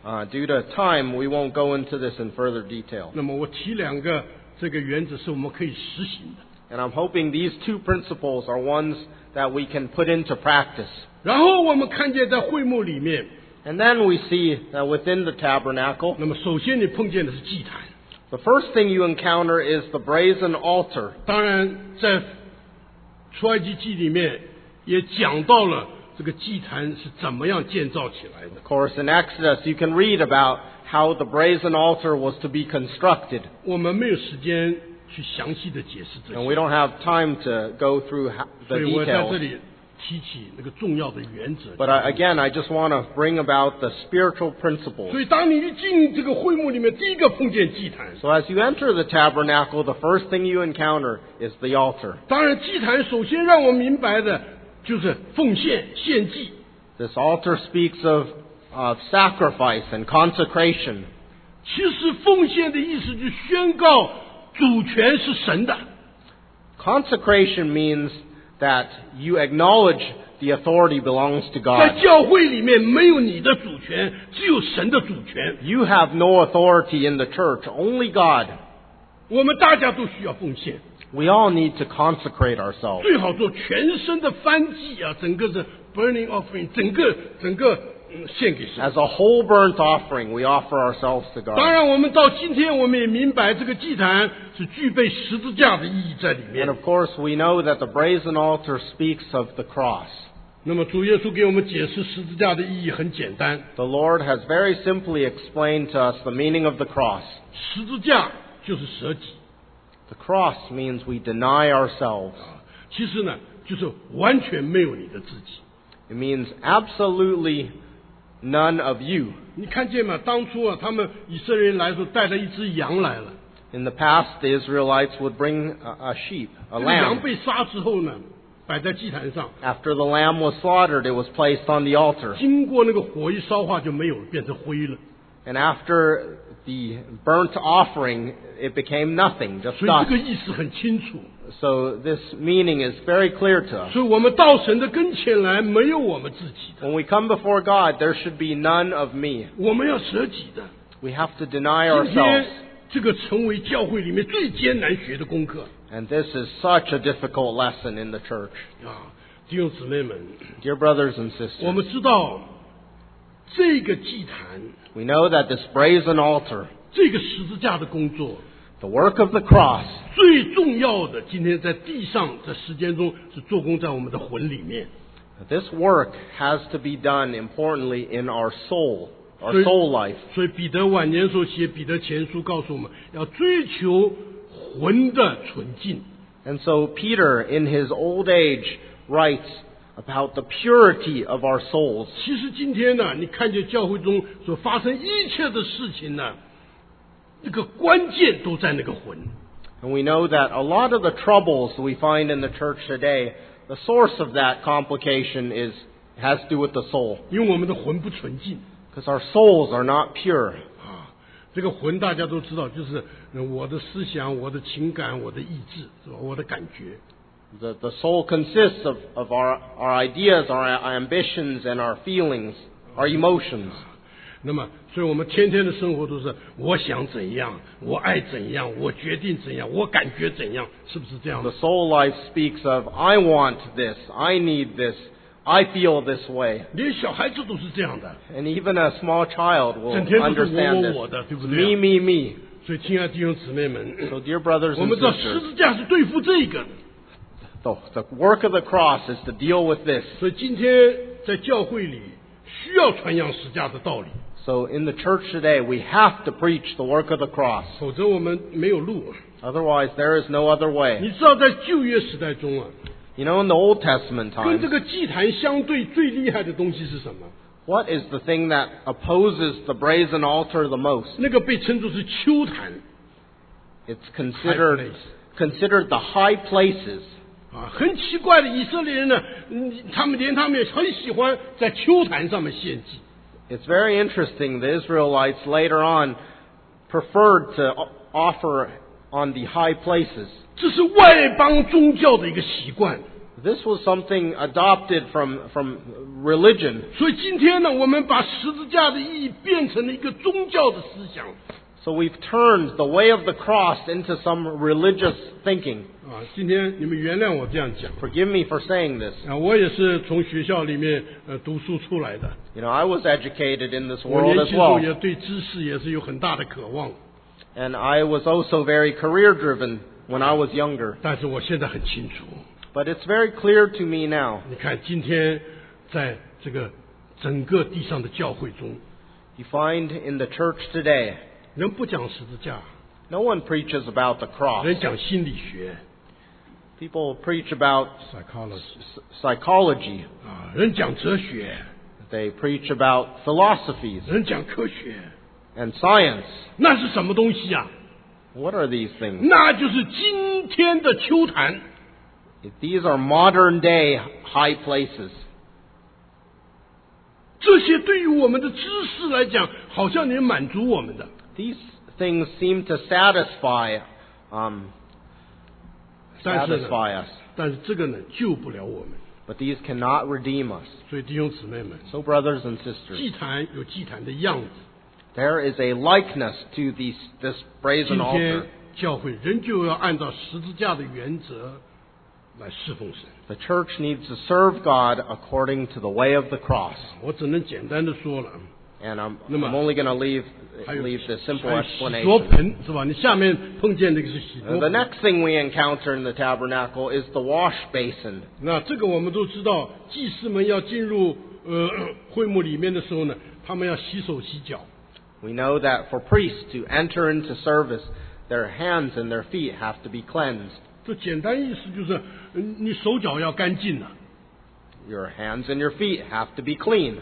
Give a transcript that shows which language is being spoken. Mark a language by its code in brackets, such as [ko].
[en] Due to time, we won't go into this in further detail. [zh] 那么我提两个这个原则是我们可以实行的。 [en] And I'm hoping these two principles are ones that we can put into practice. [zh] 然后我们看见在会幕里面。 [en] And then we see that within the tabernacle. [zh] 那么首先你碰见的是祭坛。 [en] The first thing you encounter is the brazen altar. [zh] 当然在出埃及记里面也讲到了这个祭坛是怎么样建造起来的。 [en] Of course, in Exodus, you can read about how the brazen altar was to be constructed. [zh] 我们没有时间去详细的解释这些。 [en] And we don't have time to go through the details. [zh] 所以我在这里提起那个重要的原则。 [en] But again, I just want to bring about the spiritual principles. [zh] 所以当你一进这个会幕里面，第一个碰见祭坛。 [en] So as you enter the tabernacle, the first thing you encounter is the altar. [zh] 当然，祭坛首先让我明白的就是奉献献祭。 [en] This altar speaks of sacrifice and consecration. [zh] 其实奉献的意思就是宣告主权是神的。 [en] Consecration means that you acknowledge the authority belongs to God. [zh] 在教会里面没有你的主权，只有神的主权。 [en] You have no authority in the church, only God. [zh] 我们大家都需要奉献。 [en] We all need to consecrate ourselves. [zh] 最好做全身的燔祭啊，整个的 [en] burning offering, [zh] 整个献给神。 [en] As a whole burnt offering, we offer ourselves to God. [zh] 当然我们到今天我们也明白这个祭坛是具备十字架的意义在里面。 [en] And of course, we know that the brazen altar speaks of the cross. [zh] 那么主耶稣给我们解释十字架的意义很简单。 [en] The Lord has very simply explained to us the meaning of the cross. [zh] 十字架就是舍己。 [en] The cross means we deny ourselves. [zh] 其实呢，就是完全没有你的自己。 [en] It means absolutely none of you. [zh] 你看见吗？当初啊，他们以色列人来的时候带了一只羊来了。 [en] In the past, the Israelites would bring a sheep, a lamb. [zh] 羊被杀之后呢，摆在祭坛上。 [en] After the lamb was slaughtered, it was placed on the altar. [zh] 经过那个火一烧化就没有了，变成灰了。 [en] And after the burnt offering, it became nothing, just dust. [zh] 所以这个意思很清楚。 [en] So this meaning is very clear to us. [zh] 所以我们到神的跟前来，没有我们自己的。 [en] When we come before God, there should be none of me. [zh] 我们要舍己的。 [en] We have to deny ourselves. [zh] 这个成为教会里面最艰难学的功课。 [en] And this is such a difficult lesson in the church. [zh] 弟兄姊妹们 [en] ，Dear brothers and sisters， [zh] 我们知道这个祭坛 [en] ，We know that this brazen altar， [zh] 这个十字架的工作 [en] ，The work of the cross， [zh] 最重要的，今天在地上，在时间中是做工在我们的魂里面。 [en] This work has to be done importantly in our soul， our soul life。 [zh] 所以彼得晚年所写彼得前书告诉我们，要追求魂的纯净。 [en] And so Peter, in his old age, writes about the purity of our souls. [zh] 其实今天呢，你看见教会中所发生一切的事情呢，那个关键都在那个魂。 [en] And we know that a lot of the troubles we find in the church today, the source of that complication has to do with the soul. [zh] 因为我们的魂不纯净。 [en] Because our souls are not pure. [zh] 这个魂大家都知道，就是我的思想、我的情感、我的意志，是吧？我的感觉。 [en] The soul consists of our ideas, our ambitions, and our feelings, our emotions. [zh] 那么，所以我们天天的生活都是我想怎样，我爱怎样，我决定怎样，我感觉怎样，是不是这样 [en] ？The soul life speaks of I want this, I need this. I feel this way. [zh] 连小孩子都是这样的。 [en] And even a small child will understand this. [zh] 整天都是我的，对不对？ [en] Me, me, me. [zh] 所以亲爱的弟兄姊妹们， [en] so dear brothers and sisters, [zh] 我们知道十字架是对付这个的。 [en] The work of the cross is to deal with this. [zh] 所以今天在教会里需要传扬十字架的道理。 [en] So in the church today, we have to preach the work of the cross. [zh] 否则我们没有路。 [en] Otherwise, there is no other way. [zh] 你知道在旧约时代中啊， [en] You know, in the Old Testament times, [zh] 跟这个祭坛相对最厉害的东西是什么？ [en] What is the thing that opposes the brazen altar the most? [zh] 那个被称作是秋坛。 [en] It's considered the high places. [zh] 啊，很奇怪的，以色列人呢，他们连他们也很喜欢在秋坛上面献祭。 [en] It's very interesting. The Israelites later on preferred to offer on the high places. [zh] 这是外邦宗教的一个习惯。 [en] This was something adopted from religion. [zh] 所以今天呢，我们把十字架的意义变成了一个宗教的思想。 [en] So we've turned the way of the cross into some religious thinking. [zh] 啊，今天你们原谅我这样讲。 [en] Forgive me for saying this. [zh] 啊，我也是从学校里面读书出来的。 [en] You know, I was educated in this world as well. [zh] 我年轻时候也对知识也是有很大的渴望。 [en] And I was also very career driven. When I was younger. [zh] 但是我现在很清楚。 [en] But it's very clear to me now. [zh] 你看今天在这个整个地上的教会中。 [en] You find in the church today. [zh] 人不讲十字架。 [en] No one preaches about the cross. [zh] 人讲心理学。 [en] People preach about psychology. [zh] 人讲哲学。 [en] They preach about philosophies. [zh] 人讲科学。 [en] And science. [zh] 那是什么东西啊？ [en] What are these things? [zh] 那就是今天的秋坛。 [en] These are modern day high places. [zh] 这些对于我们的知识来讲，好像能满足我们的。 [en] These things seem to satisfy, satisfy us. [zh] 但是这个呢，救不了我们。 [en] But these cannot redeem us. [zh] 所以弟兄姊妹们， [en] So brothers and sisters, [zh] 祭坛有祭坛的样子。 [en] There is a likeness to this brazen altar. [zh] 今天教会仍旧要按照十字架的原则来侍奉神。 [en] The church needs to serve God according to the way of the cross. [zh] 我只能简单的说了。 [en] And I'm only going to leave this simple explanation. [zh] 还有洗濯盆是吧？你下面碰见那个是洗濯盆。 [en] The next thing we encounter in the tabernacle is the wash basin. [zh] 那这个我们都知道，祭司们要进入会幕里面的时候呢，他们要洗手洗脚。 [en] We know that for priests to enter into service, their hands and their feet have to be cleansed. [zh] 这简单意思就是，你手脚要干净呢。 [en] Your hands and your feet have to be clean.